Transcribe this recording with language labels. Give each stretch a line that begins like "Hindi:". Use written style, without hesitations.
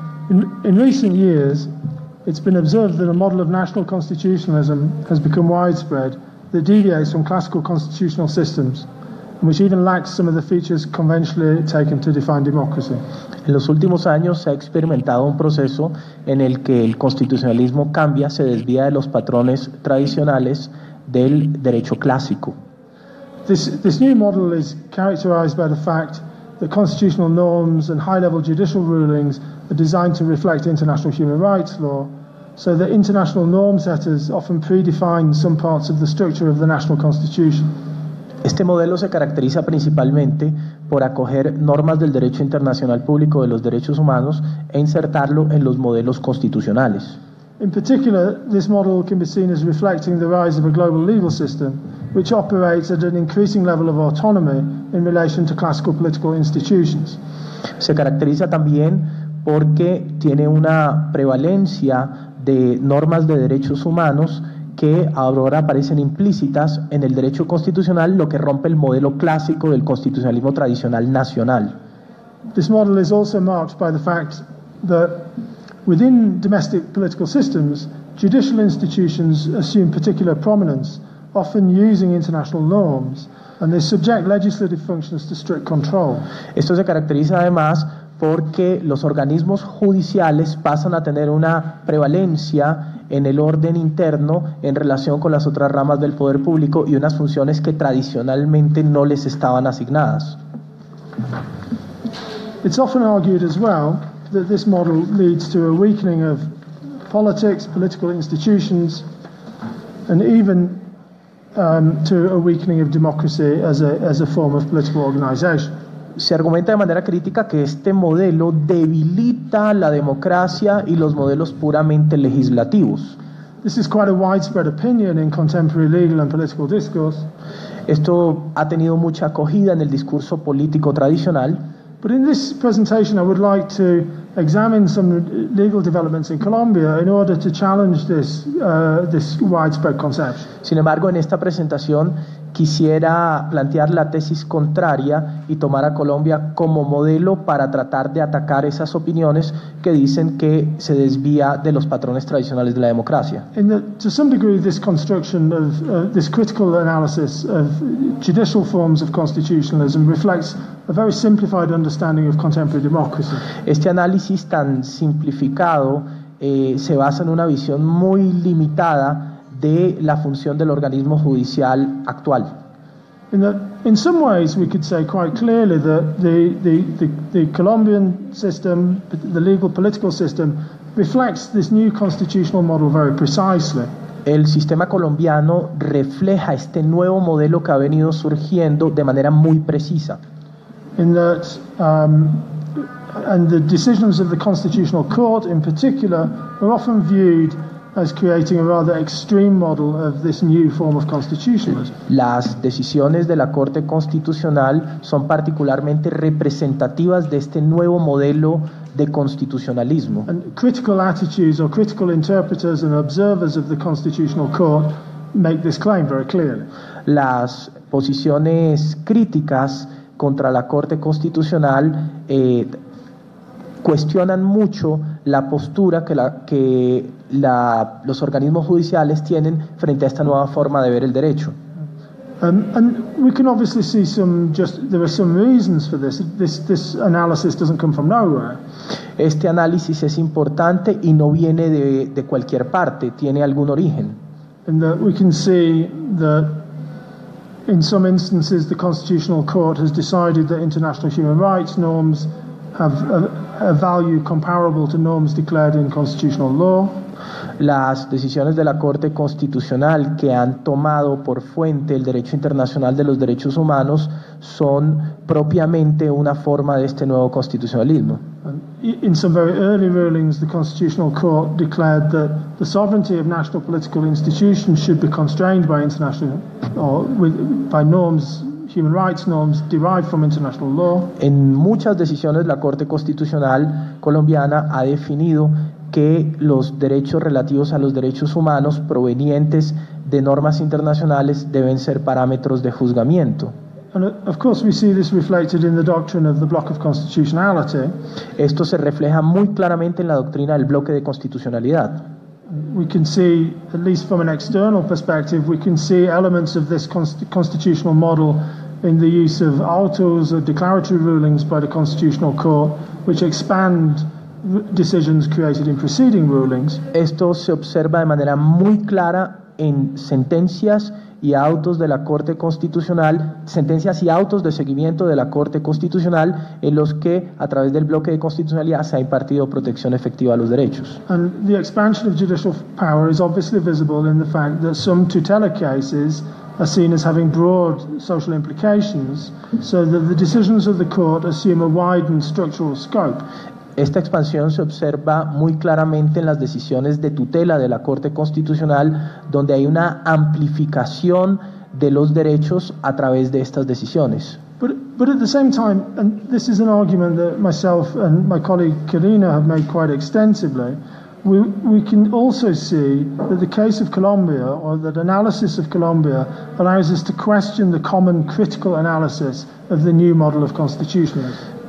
English: In recent years, it's been observed that a model of national constitutionalism has become widespread that deviates from classical constitutional systems, which even lacks some of the features conventionally taken to define democracy.
Spanish: En los últimos años se ha experimentado un proceso en el que el constitucionalismo cambia, se desvía de los patrones tradicionales del derecho clásico.
English: This new model is characterized by the fact that constitutional norms and high-level judicial rulings are designed to reflect international human rights law, so that international norm setters often predefine some parts of the structure of the national constitution.
Spanish: Este modelo se caracteriza principalmente por acoger normas del derecho internacional público de los derechos humanos e insertarlo en los modelos constitucionales.
English: In particular, this model can be seen as reflecting the rise of a global legal system, which operates at an increasing level of autonomy in relation to classical political institutions.
Spanish: Se caracteriza también porque tiene una prevalencia de normas de derechos humanos que ahora aparecen implícitas en el derecho constitucional, lo que rompe el modelo clásico del constitucionalismo tradicional nacional.
English: This model is also marked by the fact that within domestic political systems, judicial institutions assume particular prominence, often using international norms, and they subject legislative functions to strict control.
Spanish: Esto se caracteriza además porque los organismos judiciales pasan a tener una prevalencia en el orden interno en relación con las otras ramas del poder público y unas funciones que tradicionalmente no les estaban asignadas.
English: It's often argued as well that this model leads to a weakening of politics, political institutions, and even to a weakening of democracy as a form of political organization.
Spanish: Se argumenta de manera crítica que este modelo debilita la democracia y los modelos puramente legislativos.
English: This is quite a widespread opinion in contemporary legal and political discourse.
Spanish: Esto ha tenido mucha acogida en el discurso político tradicional.
English: But in this presentation I would like to examine some legal developments in Colombia in order to challenge this widespread conception.
Spanish: Sin embargo, en esta presentación quisiera plantear la tesis contraria y tomar a Colombia como modelo para tratar de atacar esas opiniones que dicen que se desvía de los patrones tradicionales de la democracia.
English: In the, to some degree, this construction of this critical analysis of judicial forms of constitutionalism reflects a very simplified understanding of contemporary democracy.
Spanish: Este análisis tan simplificado se basa en una visión muy limitada de la función del organismo judicial actual.
English: In some ways we could say quite clearly that the Colombian system, the legal political system, reflects this new constitutional model very precisely.
Spanish: El sistema colombiano refleja este nuevo modelo que ha venido surgiendo de manera muy precisa.
English: In that and the decisions of the Constitutional Court in particular are often viewed as creating a rather extreme model of this new form of constitutionalism.
Spanish: Las decisiones de la Corte Constitucional son particularmente representativas de este nuevo modelo de constitucionalismo.
English: And critical attitudes or critical interpreters and observers of the Constitutional Court make this claim very clearly.
Spanish: Las posiciones críticas contra la Corte Constitucional cuestionan mucho la postura que los organismos judiciales tienen frente a esta nueva forma de ver el derecho.
English: And we can obviously see some just there are some reasons for this. This analysis doesn't come from nowhere.
Spanish: Este análisis es importante y no viene de cualquier parte, tiene algún origen.
English: And we can see that in some instances the Constitutional Court has decided that international human rights norms have a value comparable to norms declared in constitutional law.
Spanish: Las decisiones de la Corte Constitucional que han tomado por fuente el derecho internacional de los derechos humanos son propiamente una forma de este nuevo constitucionalismo.
English: In some very early rulings, the Constitutional Court declared that the sovereignty of national political institutions should be constrained by international or with, by norms. Human rights norms derived from international law.
Spanish: En muchas decisiones la Corte Constitucional colombiana ha definido que los derechos relativos a los derechos humanos provenientes de normas internacionales deben ser parámetros de juzgamiento.
English: And of course we see this reflected in the doctrine of the block of constitutionality.
Spanish: Esto se refleja muy claramente en la doctrina del bloque de constitucionalidad.
English: We can see, at least from an external perspective, we can see elements of this constitutional model in the use of autos or declaratory rulings by the Constitutional Court, which expand decisions created in preceding rulings.
Spanish: Esto se observa de manera muy clara en sentencias y autos de la Corte Constitucional, sentencias y autos de seguimiento de la Corte Constitucional en los que a través del bloque de constitucionalidad se ha impartido protección efectiva a los derechos.
English: And the expansion of judicial power is obviously visible in the fact that some tutela cases are seen as having broad social implications, so that the decisions of the court assume a widened structural scope.
Spanish: Esta expansión se observa muy claramente en las decisiones de tutela de la Corte Constitucional, donde hay una amplificación de los derechos a través de estas decisiones.
English: But at the same time, and this is an argument that myself and my colleague Karina have made quite extensively, we can also see that the case of Colombia, or that analysis of Colombia, allows us to question the common critical analysis of the new model of constitutionalism.